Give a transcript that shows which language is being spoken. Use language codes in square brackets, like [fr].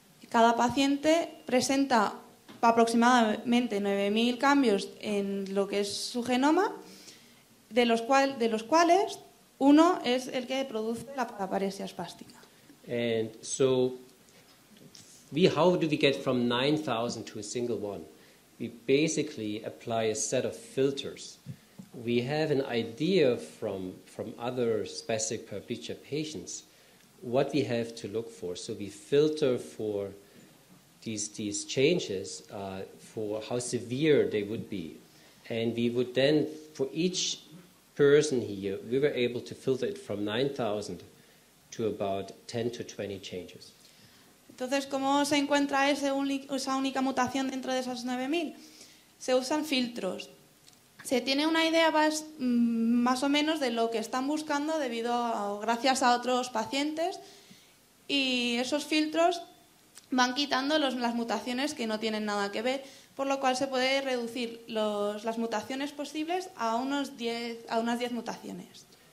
[es] Cada paciente presenta aproximadamente 9,000 cambios en lo que es su genoma, de los cuales uno es el que produce la paraplegia espástica. [en] And so how do we get from 9,000 to a single one? We basically apply a set of filters. We have an idea from other spastic paraplegia patients what we have to look for. So we filter for these changes for how severe they would be. And we would then, for each person here, we were able to filter it from 9,000 to about 10 to 20 changes. [es] Entonces, ¿cómo se encuentra esa única mutación dentro de esas 9,000? Se usan filtros. Se tiene una idea más o menos de lo que están buscando debido a, o gracias a otros pacientes, y esos filtros van quitando las mutaciones que no tienen nada que ver, por lo cual se puede reducir las mutaciones posibles a unas 10 mutaciones.